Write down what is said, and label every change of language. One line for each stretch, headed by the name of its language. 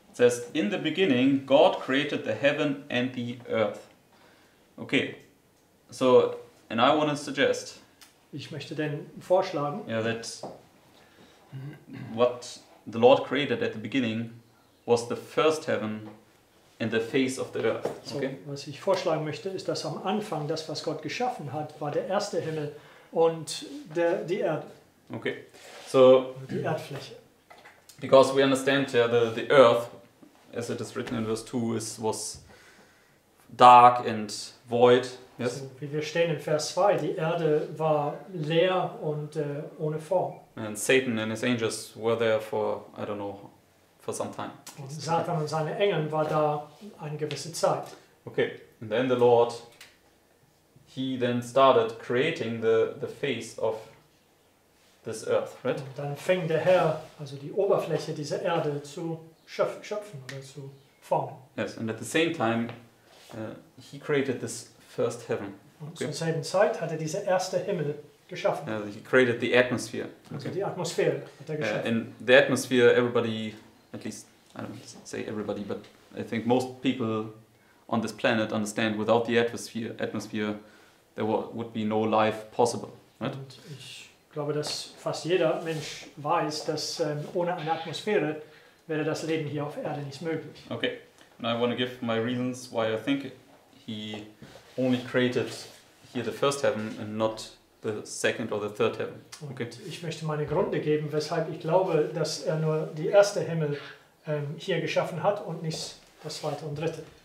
English: It says, in the beginning God created the heaven and the earth. Okay. So, and I want to suggest.
German: Ich möchte denn vorschlagen.
English: Yeah, that what the Lord created at the beginning was the first heaven and the face of the earth. So, okay.
German: Was ich vorschlagen möchte, ist, dass am Anfang das, was Gott geschaffen hat, war der erste Himmel und die Erde.
English: Okay, so
German: die Erdfläche.
English: Because we understand yeah, the earth, as it is written in verse 2, was dark and void. Yes? So,
German: wie wir stehen in Vers 2, die Erde war leer und ohne Form.
English: And Satan and his angels were there for, I don't know, for some time.
German: Und Satan und seine Engel war da eine gewisse Zeit.
English: Okay, and then the Lord, he then started creating the face of this earth, right?
German: Und dann fing der Herr, also die Oberfläche dieser Erde, zu schöpfen oder zu formen.
English: Yes, and at the same time, he created this first heaven.
German: Und okay. Zur selben Zeit hat er diese erste Himmel geschaffen.
English: Yeah, he created the atmosphere.
German: Okay. Also die Atmosphäre hat er geschaffen.
English: And the atmosphere, everybody, at least, I don't say everybody, but I think most people on this planet understand, without the atmosphere, there would be no life possible, right?
German: Und ich glaube, dass fast jeder Mensch weiß, dass ohne eine Atmosphäre wäre das Leben hier auf Erde nicht möglich.
English: Okay, and I want to give my reasons why I think he only created here the first heaven and not the second or the third heaven. Okay.
German: Ich möchte meine Gründe geben, weshalb ich glaube, dass er nur die erste Himmel hier geschaffen hat und nicht das zweite und dritte.